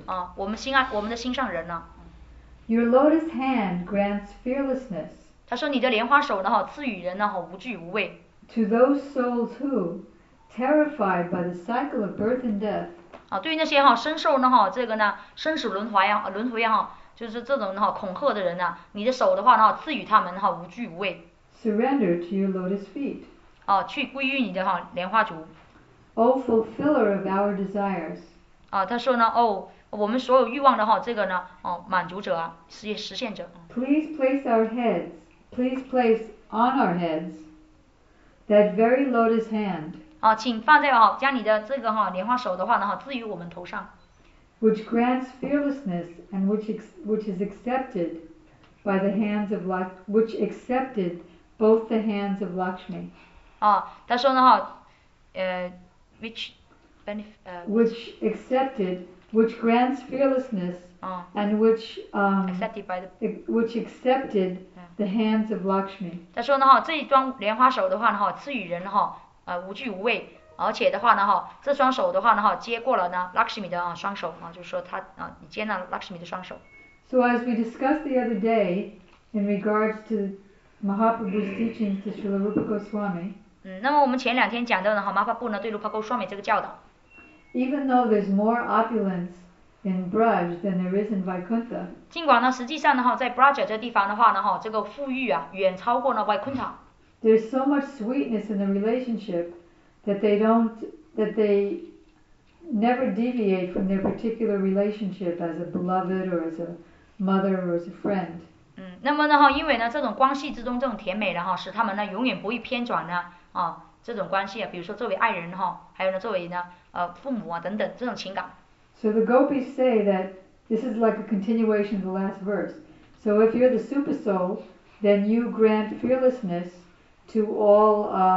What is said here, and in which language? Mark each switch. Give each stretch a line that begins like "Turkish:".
Chinese: 啊，我们心爱，我们的心上人呢、啊、
English: ，your lotus hand grants fearlessness，
Chinese: 他说你的莲花手呢哈，赐予人呢哈无惧无畏
English: ，to those souls who terrified by the cycle of birth and death，
Chinese: 啊，对于那些哈深受呢哈这个呢生死轮回呀轮回呀哈，就是这种哈恐吓的人呢、啊，你的手的话呢哈赐予他们哈无惧无畏。
English: Surrender to your lotus feet.
Chinese: 哦，去归于你的哈莲花足。
English: O fulfiller of our desires.
Chinese: 啊，他说呢，哦，我们所有欲望的哈，这个呢，哦，满足者啊，实现者。
English: Please place our heads. Please place on our heads that very lotus hand.
Chinese: 哦，请放在哈，将你的这个哈莲花手的话呢哈，置于我们头上。
English: Which grants fearlessness and which is accepted by the hands of life, which accepted. Both the hands of Lakshmi.
Chinese: 啊，他说呢哈，
English: which benefit which accepted, which grants fearlessness, and which accepted by the which accepted the hands of Lakshmi.
Chinese: 他说呢哈，这一双莲花手的话呢哈，赐予人哈，无惧无畏，而且的话呢哈，这双手的话呢哈，接过了呢 Lakshmi 的双手啊，就是说他啊，你接纳 Lakshmi 的双手。
English: So as we discussed the other day, in regards to Mahaprabhu's teachings to Srila Rupa Goswami.
Chinese: 那么我们前两天讲到的哈，马哈布呢对卢帕戈斯瓦米这个教导。
English: Even though there's more opulence in Braj than there is in Vaikuntha.
Chinese: 尽管呢，实际上呢哈，在 Braj 这地方的话呢哈，这个富裕啊，远超过了 Vaikuntha.
English: There's so much sweetness in the relationship that they don't, that they never deviate from their particular relationship as a beloved or as a mother or as a friend.
Chinese: 那么呢哈，因为呢这种关系之中这种甜美的哈，使他们呢永远不会偏转呢啊这种关系啊，比如说作为爱人哈，还有呢作为呢父母啊等等这种情感。
English: So the gopis say that this is like a continuation of the last verse. So if you're the super soul, then you grant fearlessness to all